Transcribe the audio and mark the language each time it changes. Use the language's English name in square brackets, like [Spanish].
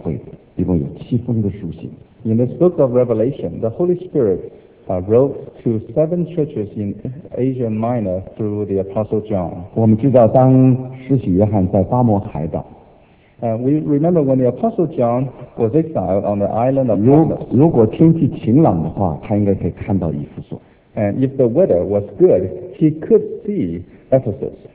[Chinese] 我们知道，在启示录，圣灵借着约翰给亚细亚七个教会，一共有7封的书信。 [English] In this book of Revelation, the Holy Spirit wrote to 7 churches in Asia Minor through the Apostle John. [Chinese] 我们知道，当施洗约翰在巴摩海岛。 [English] We remember when the Apostle John was exiled on the island of Patmos. [Chinese] 如果天气晴朗的话，他应该可以看到以弗所。 [English] And if the weather was good, he could see Ephesus.